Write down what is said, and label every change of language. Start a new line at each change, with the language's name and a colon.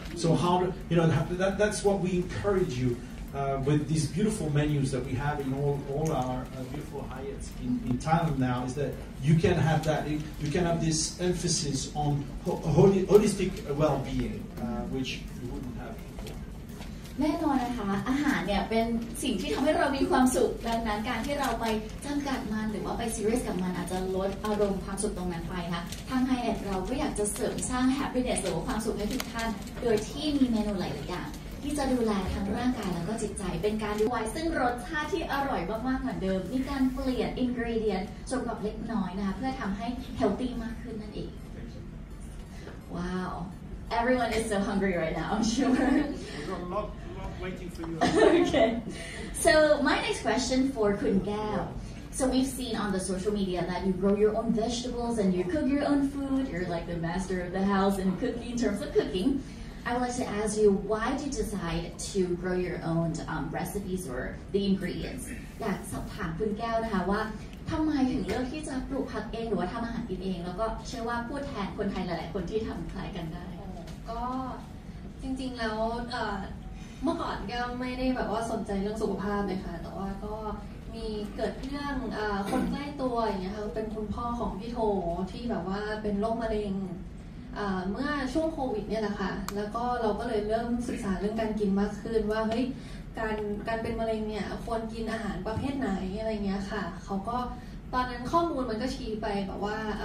English: So how do you know that's what we encourage you with these beautiful menus that we have in all our beautiful Hyatts in Thailand now, is that you can have that, you can have this emphasis on holistic well-being, which you wouldn't have before.
Thai: แน่นอนนะคะอาหารเนี่ยเป็นสิ่งที่ทำให้เรามีความสุขดังนั้นการที่เราไปจำกัดมันหรือว่าไปซีเรียสกับมันอาจจะลดอารมณ์ความสุขตรงนั้นไปค่ะทาง Hyatt เราก็อยากจะเสริมสร้างแฮปปี้เนสหรือความสุขให้ทุกท่านโดยที่มีเมนูหลายๆอย่างที่จะดูแลทั้งร่างกายแล้วก็จิตใจเป็นการดูไว้ซึ่งรสชาติที่อร่อยมากๆเหมือนเดิมมีการเปลี่ยนอินกรีเดียนส่วนประกอบเล็กน้อยนะคะเพื่อทำให้เฮลตี้มากขึ้นนั่นเองว้าว
English: everyone is so hungry right now I'm sure we've got a lot waiting for you okay so my next question for Khun Gao so we've seen on the social media that you grow your own vegetables and you cook your own food you're like the master of the house in cooking in terms of cookingI would like to ask you, why did you decide to grow your own recipes or the ingredients?
Thai: อยากสอบถามคุณแก้วนะคะว่าทำไมถึงเลือกที่จะปลูกผักเองหรือว่าทำอาหารกินเองแล้วก็เชื่อว่าพูดแทนคนไทยหลายๆคนที่ทำคล้ายกันได้ก็จริงๆแล้วเมื่อก่อนก็ไม่ได้แบบว่าสนใจเรื่องสุขภาพเลยค่ะแต่ว่าก็มีเกิดเรื่องคนใกล้ตัวอย่างเงี้ยค่ะเป็นคุณพ่อของพี่โถที่แบบว่าเป็นโรคมะเร็งเมื่อช่วงโควิดเนี่ยแหละค่ะแล้วก็เราก็เลยเริ่มศึกษาเรื่องการกินมากขึ้นว่าเฮ้ยการเป็นมะเร็งเนี่ยควรกินอาหารประเภทไหนอะไรเงี้ยค่ะเขาก็ตอนนั้นข้อมูลมันก็ชี้ไปแบบว่า